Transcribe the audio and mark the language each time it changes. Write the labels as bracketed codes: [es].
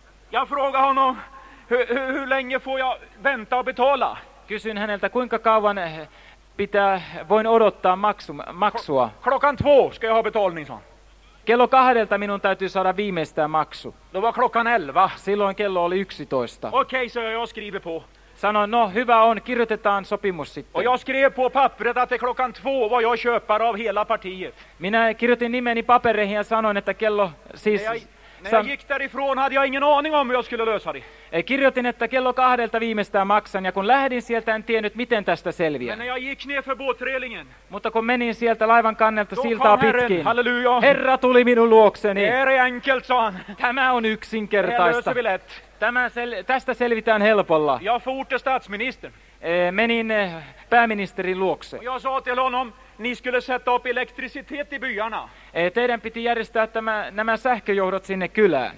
[sv] Jag frågade honom, hur länge får jag vänta och betala? [fi] Kysyin häneltä, kuinka kauan voin odottaa maksua? [sv] Klockan 2 ska jag ha betalning, sa han. [fi] Kello 2 minun täytyy saada viimeistään maksu. [sv] Då var klockan 11. [fi] Silloin kello oli 11. [sv] Okej, så jag skriver på. [fi] Sanoin, no hyvä on, kirjoitetaan sopimus sitten. [sv] Och jag skrev på pappret att det är klockan 2 vad jag köper av hela partiet. [fi] Minä kirjoitin nimeni papereihin ja sanoin, että kello siis... [sv] När jag gick därifrån hade jag ingen aning om hur jag skulle lösa det. [fi] Kirjoitin, että kello 2 viimeistään maksan, ja kun lähdin sieltä, en tiennyt, miten tästä selviää. [sv] Men när jag gick ner för båtrelingen. [fi] Mutta kun menin sieltä laivan kannelta siltaa pitkin. [sv] Halleluja. [fi] Herra tuli minun luokseni. [sv] Det är enkelt, sa han. [fi] Tämä on yksinkertaista. [sv] Det löser vi lätt. [fi] Tästä selvitään helpolla. [sv] Jag fort till statsministern. [fi] Menin pääministerin luokse. [sv] Jag sa till honom, ni skulle sätta upp elektricitet i byarna. [fi] Teidän piti järjestää nämä sähköjohdot sinne kylään.